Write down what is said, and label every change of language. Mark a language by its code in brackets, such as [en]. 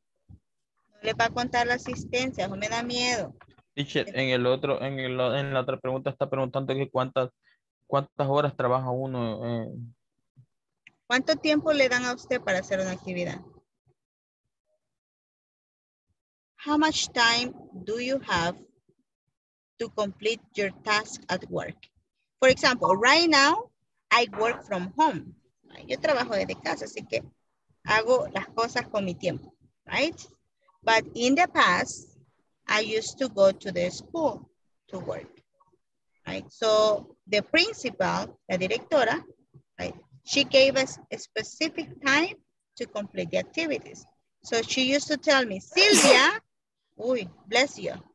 [es] No le va a contar la asistencia, o me da miedo. [en] Teacher, [es] en la otra pregunta está preguntando que cuántas horas trabaja uno. ¿Cuánto tiempo le dan a usted para hacer una actividad? [en] How much time do you have to complete your task at work? For example, right now, I work from home. [es] Yo trabajo desde casa, así que hago las cosas con mi tiempo, [en] right? But in the past, I used to go to the school to work, right? So the principal, [es] la directora, [en] right? She gave us a specific time to complete the activities. So she used to tell me, Silvia, [es] uy, [en] bless you.